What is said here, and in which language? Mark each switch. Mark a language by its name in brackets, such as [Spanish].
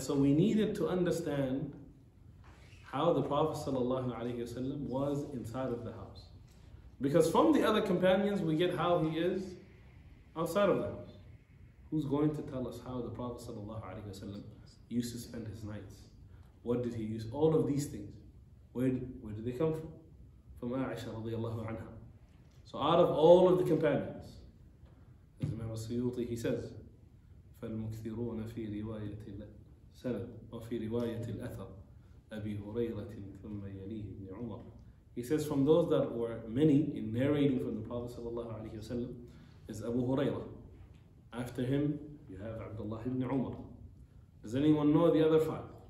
[English] So we needed to understand how the Prophet sallallahu alaihi wasallam was inside of the house. Because from the other companions, we get how he is outside of the house. Who's going to tell us how the Prophet sallallahu alaihi wasallam used to spend his nights? What did he use? All of these things. Where did they come from? From Aisha radiallahu anha. So out of all of the companions, as Imam al-Suyuti, he says, [Arabic] فَالْمُكْثِرُونَ فِي رِوَايَةِ السَّنَدْ وَفِي رِوَايَةِ الْأَثَرْ أَبِي هُرَيْرَةٍ ثُمَّ يَلِيهِ بْنِ عُمَرْ. [English] He says, from those that were many in narrating from the Prophet sallallahu alayhi wa sallam is Abu Hurairah. After him, you have Abdullah ibn Umar. Does anyone know the other five?